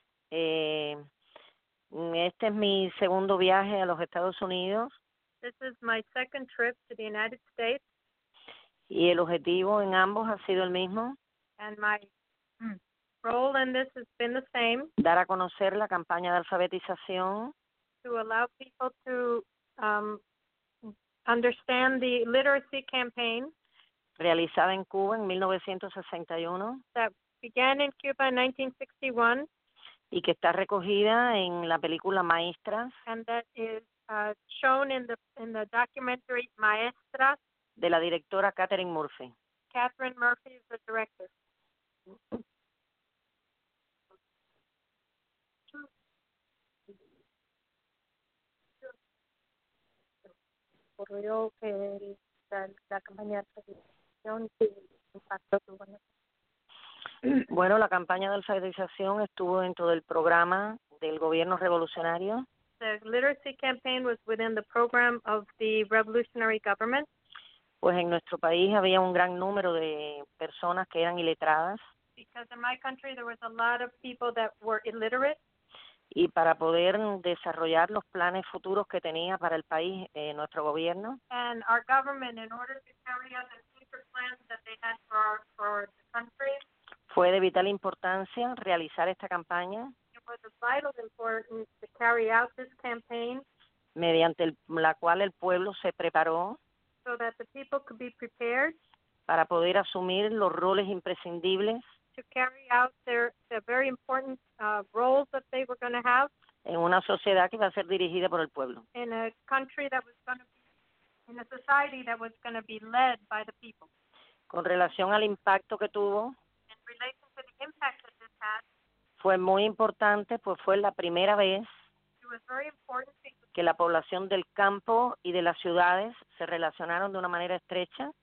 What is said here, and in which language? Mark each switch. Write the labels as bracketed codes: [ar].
[es] Este es mi segundo viaje a los Estados Unidos. [en] This is my second trip to the United States. [es] Y el objetivo en ambos ha sido el mismo. [en] And my role in this has been the same. [es] Dar a conocer la campaña de alfabetización. [en] To allow people to understand the literacy campaign. [es] Realizada en Cuba en 1961. [en] That began in Cuba in 1961. [es] y que está recogida en la película Maestra. [en] And that is shown in the documentary Maestra. [es] De la directora Catherine Murphy. [en] Catherine Murphy is the director. [es] Ocurrió que la campaña de alfabetización tuvo impacto. Bueno, la campaña de alfabetización estuvo dentro del programa del gobierno revolucionario. [en] The literacy campaign was within the program of the revolutionary government. [es] Pues en nuestro país había un gran número de personas que eran iletradas. [en] Because in my country there was a lot of people that were illiterate. [es] Y para poder desarrollar los planes futuros que tenía para el país, nuestro gobierno. [en] And our government, in order to carry out the future plans that they had for the country. [es] Fue de vital importancia realizar esta campaña. [en] It was of vital importance to carry out this campaign. [es] Mediante la cual el pueblo se preparó. [en] So that the people could be prepared. [es] Para poder asumir los roles imprescindibles. [en] To carry out their very important roles that they were going to have. [es] En una sociedad que iba a ser dirigida por el pueblo. [en] In a country that was going to be, in a society that was going to be led by the people. [es] Con relación al impacto que tuvo. [en] In relation to the impact that this had. [es] Fue muy importante, pues fue la primera vez. [en] It was very important [es] que la población del campo y de las ciudades se relacionaron de una manera estrecha.